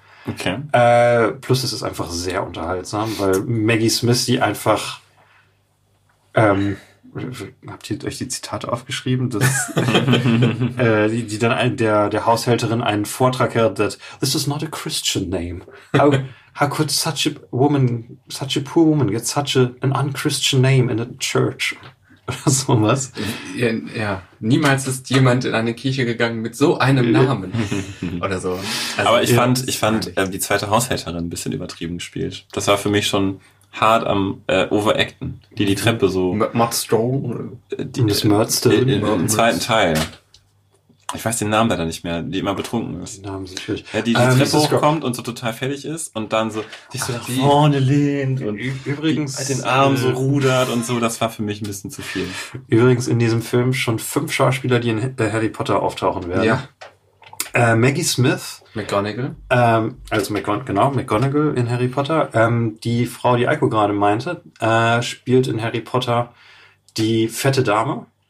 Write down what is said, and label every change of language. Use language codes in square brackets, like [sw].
[en] Okay. [de] Plus es ist einfach sehr unterhaltsam, weil Maggie Smith die einfach habt ihr euch die Zitate aufgeschrieben, dass die dann der Haushälterin einen Vortrag hält, [en] that this is not a Christian name. How could such a poor woman get such an unchristian name in a church? [de] Oder sowas. Ja, niemals ist jemand in eine Kirche gegangen mit so einem Namen. Oder so. Also, aber ich fand die zweite Haushälterin ein bisschen übertrieben gespielt. Das war für mich schon hart am overacten. Die Treppe so. Matt Stone? Das Mörzte. Im zweiten Teil. Ich weiß den Namen leider nicht mehr, die immer betrunken ist. Die Namen sind schwierig. Ja, die Treppe hochkommt und so total fertig ist und dann so sich so nach vorne lehnt und übrigens den Arm so rudert und so, das war für mich ein bisschen zu viel. Übrigens in diesem Film schon 5 Schauspieler, die in Harry Potter auftauchen werden. Ja. Maggie Smith. McGonagall. McGonagall in Harry Potter. Die Frau, die Eiko gerade meinte, spielt in Harry Potter die fette Dame.